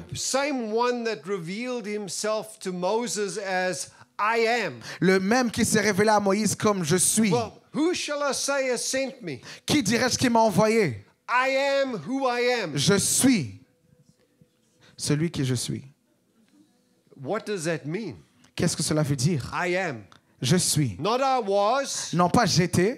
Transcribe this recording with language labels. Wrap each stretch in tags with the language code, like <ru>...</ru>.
<en>The same one that revealed himself to Moses as I am.</en> <fr>Le même qui s'est révélé à Moïse comme je suis.</fr> <en>Well, who shall I say has sent me?</en> <fr>Qui dirais-je qui m'a envoyé?</fr> <en>I am who I am.</en> <fr>Je suis celui qui je suis.</fr> <en>What does that mean?</en> <fr>Qu'est-ce que cela veut dire?</fr> <en>I am.</en> <fr>Je suis.</fr> <en>Not I was.</en> <fr>Non pas j'étais.</fr>